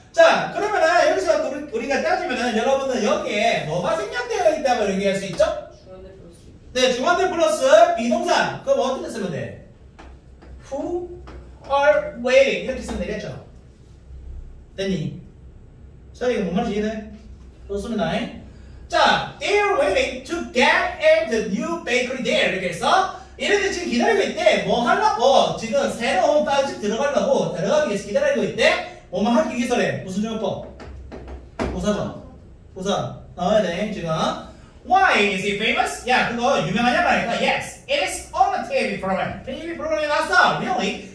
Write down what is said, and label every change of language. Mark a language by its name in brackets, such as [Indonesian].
[Korean] 자, 그러면은, 여기서 우리가 따지면은, 여러분들 여기에 뭐가 생략되어 있다고 얘기할 수 있죠? 네, 주관대 플러스 비동사. 그럼 어떻게 쓰면 돼? [English] Who are waiting? [Korean] 이렇게 쓰면 되겠죠? 됐니? 자, 이거 뭔 말인지 이해돼? 좋습니다. 자, [English] they are waiting to get at the new bakery there. [Korean] 이렇게 해서, 이렇게 지금 기다리고 있대. 뭐 하려고 지금 새로운 빠집 들어가려고 들어가기 위해서 기다리고 있대. 뭐만 하기 위해서래. 무슨 조합법? 보사죠? 보사 나와야 돼 지금. [English] Why is he famous? [Korean] 야 그거 유명하냐 말이야. [English] Yes, it is on the TV program. TV program에 [Korean] 나왔어. [English] Really?